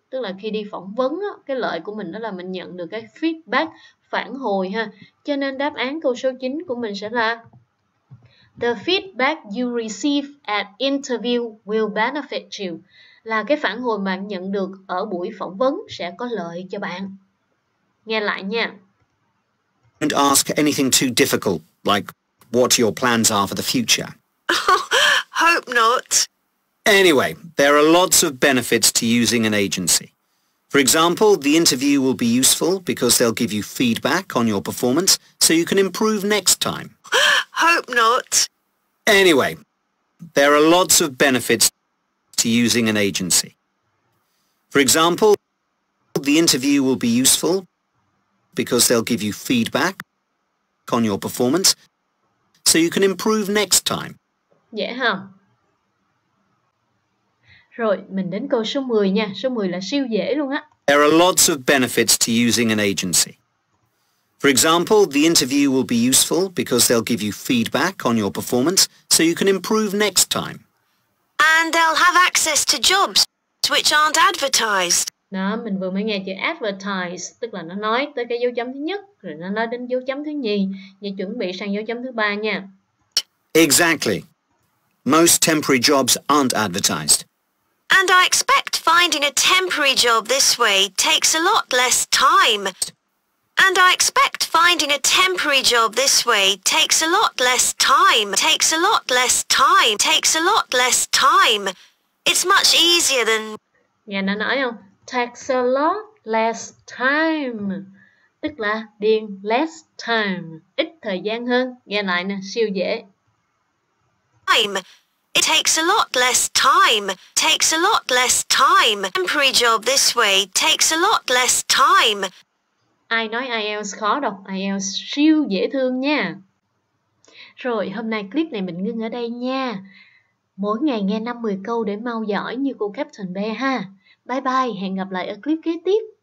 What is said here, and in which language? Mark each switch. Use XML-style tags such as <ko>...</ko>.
<vi>Tức là khi đi phỏng vấn á, cái lợi của mình đó là mình nhận được cái feedback, phản hồi ha. Cho nên đáp án câu số 9 của mình sẽ là</vi> <en>the feedback you receive at interview will benefit you,</en> <vi>là cái phản hồi bạn nhận được ở buổi phỏng vấn sẽ có lợi cho bạn. Nghe lại nha.</vi> <en>Don't ask anything too difficult, like what your plans are for the future. Hope not. Anyway, there are lots of benefits to using an agency. For example, the interview will be useful because they'll give you feedback on your performance so you can improve next time. Hope not. Anyway, there are lots of benefits to using an agency. For example, the interview will be useful because they'll give you feedback on your performance so you can improve next time.</en> <vi>Dễ ha. Rồi, mình đến câu số 10 nha. Số 10 là siêu dễ luôn á.</vi> <en>There are lots of benefits to using an agency. For example, the interview will be useful because they'll give you feedback on your performance so you can improve next time. And they'll have access to jobs which aren't advertised.</en> <vi>Đó, mình vừa mới nghe chữ advertise, tức là nó nói tới cái dấu chấm thứ nhất, rồi nó nói đến dấu chấm thứ nhì, vậy chuẩn bị sang dấu chấm thứ ba nha.</vi> <en>Exactly. Most temporary jobs aren't advertised. And I expect finding a temporary job this way takes a lot less time. And I expect finding a temporary job this way takes a lot less time. Takes a lot less time. Takes a lot less time. It's much easier than... Yeah,</en> <vi>nó nói không?</vi> <en>Takes a lot less time.</en> <vi>Tức là điền</vi> <en>less time.</en> <vi>Ít thời gian hơn. Nghe lại nè, siêu dễ.</vi> <en>Time. It takes a lot less time. Takes a lot less time. Temporary job this way takes a lot less time.</en> <vi>Ai nói IELTS khó đâu, IELTS siêu dễ thương nha. Rồi, hôm nay clip này mình ngưng ở đây nha. Mỗi ngày nghe 5-10 câu để mau giỏi như cô Captain B ha. Bye bye, hẹn gặp lại ở clip kế tiếp.</vi>